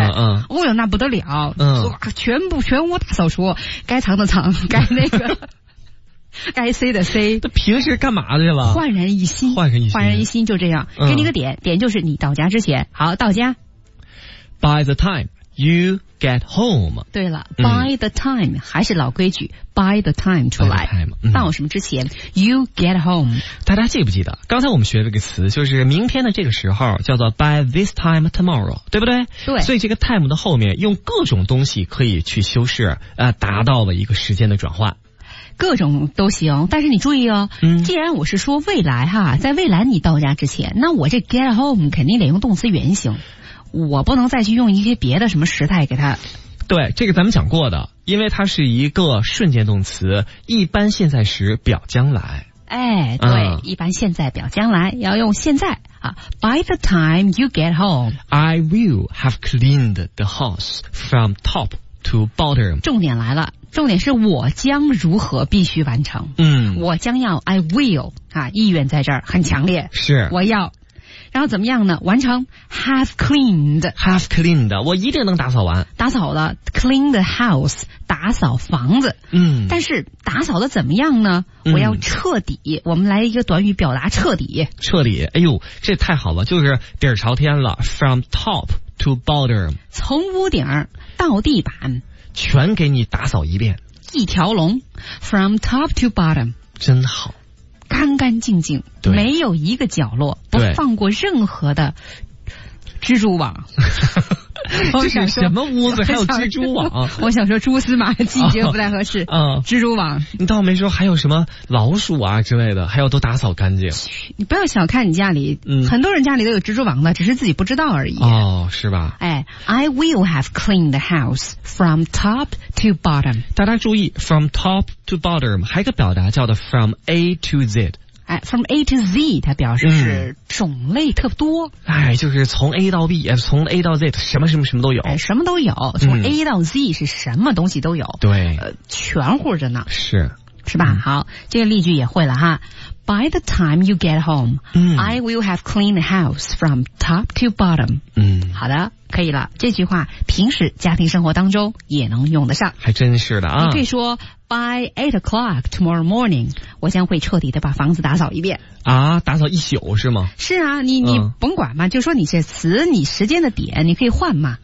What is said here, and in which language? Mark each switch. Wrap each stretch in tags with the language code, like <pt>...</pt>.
<zh>嗯嗯，哦呦那不得了，嗯，全屋大扫除，该藏的藏，该那个该塞的塞，那平时干嘛去了，焕然一新，焕然一新，焕然一新，就这样，嗯，给你个点点，就是你到家之前，好，到家</zh> <en>by the time you get home，</en> <zh>对了，嗯，</zh> <en>by the time</en> <zh>还是老规矩 by the time 出来</zh> <en>time,、嗯，</en> <zh>到什么之前</zh> <en>you get home，</en> <zh>大家记不记得刚才我们学了个词，就是明天的这个时候叫做</zh> <en>by this time tomorrow，</en> <zh>对不对，对，所以这个 time 的后面用各种东西可以去修饰，达到了一个时间的转换，各种都行，但是你注意哦，嗯，既然我是说未来哈，在未来你到家之前，那我这</zh> <en>get home</en> <zh>肯定得用动词原形，我不能再去用一些别的什么时态给它，对，这个咱们讲过的，因为它是一个瞬间动词，一般现在时表将来，哎，对，嗯，一般现在表将来要用现在啊。</zh> <en>By the time you get home I will have cleaned the house from top to bottom，</en> <zh>重点来了，重点是我将如何必须完成，嗯，我将要</zh> <en>I will</en> <zh>啊，意愿在这儿很强烈，是我要，然后怎么样呢，完成</zh> <en>have cleaned， have cleaned，</en> <zh>我一定能打扫完，打扫了，</zh> <en>clean the house，</en> <zh>打扫房子，嗯，但是打扫的怎么样呢，我要彻底，嗯，我们来一个短语表达彻底，彻底，哎呦这太好了，就是底儿朝天了，</zh> <en>from top to bottom，</en> <zh>从屋顶到地板全给你打扫一遍，一条龙，</zh> <en>from top to bottom，</en> <zh>真好，干干净净，没有一个角落不放过任何的蜘蛛网这是什么屋子还有蜘蛛网，我想说蛛丝马迹觉得不太合适，嗯，蜘蛛网你倒没说，还有什么老鼠啊之类的，还要都打扫干净，你不要小看你家里，嗯，很多人家里都有蜘蛛网的，只是自己不知道而已，哦，是吧，哎，</zh> <en>I will have cleaned the house from top to bottom，</en> <zh>大家注意</zh> <en>from top to bottom</en> <zh>还有一个表达叫做</zh> <en>from A to Z，</en> <zh>哎 ，</zh> <en>from A to Z，</en> <zh>它表示是种类特别多，嗯。哎，就是从 A 到 B， 从 A 到 Z， 什么什么什么都有。哎，什么都有，从 A 到 Z 是什么东西都有。对，嗯，全乎着呢。是，是吧，嗯？好，这个例句也会了哈。</zh> <en>By the time you get home，</en> <zh>嗯，</zh> <en>I will have cleaned the house from top to bottom。</en> <zh>嗯，好的，可以了。这句话平时家庭生活当中也能用得上。还真是的啊。你可以说</zh> <en>By 8 o'clock tomorrow morning，</en> <zh>我将会彻底的把房子打扫一遍。啊，打扫一宿是吗？是啊，你甭管嘛，就说你这词，你时间的点，你可以换嘛。</zh>